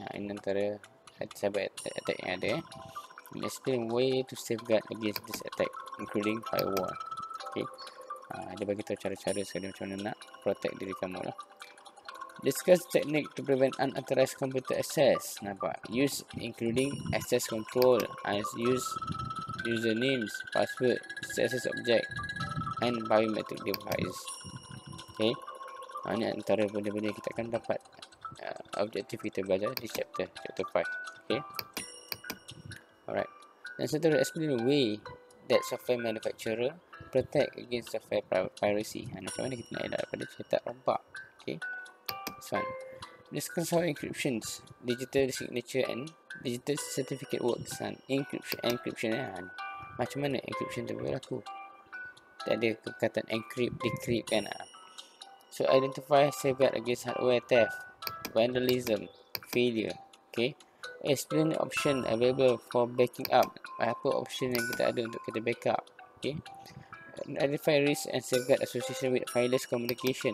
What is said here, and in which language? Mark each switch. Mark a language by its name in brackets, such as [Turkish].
[Malay] Ini antara cyber attack yang ada. [English] And explain way to safeguard against this attack, including firewall. Okay. [Malay] Dia bagitahu cara-cara sekali macam mana nak protect diri kamu lah. [English] Discuss technique to prevent unauthorized computer access. [Malay] Nampak? [English] Use including access control as use usernames, password, access object and biometric device. Okay. [Malay] Ini antara benda-benda kita akan dapat objektif kita belajar di chapter 5. Okay. Alright. Dan seterusnya, [English] explain way that software manufacturer protect against software piracy. [Malay] Macam mana kita nak elak daripada cetak rompak. Okay. [English] So, discuss how encryptions, digital signature and digital certificate works. And encryption. [Malay] Macam mana encryption tu berlaku? Tak ada perkataan encrypt, decrypt kan. [English] So, identify safeguard against hardware theft, vandalism, failure. Okay. Explain option available for backing up. [Malay] Apa option yang kita ada untuk kita backup. Okay. [English] Identify risk and safeguard association with wireless communication.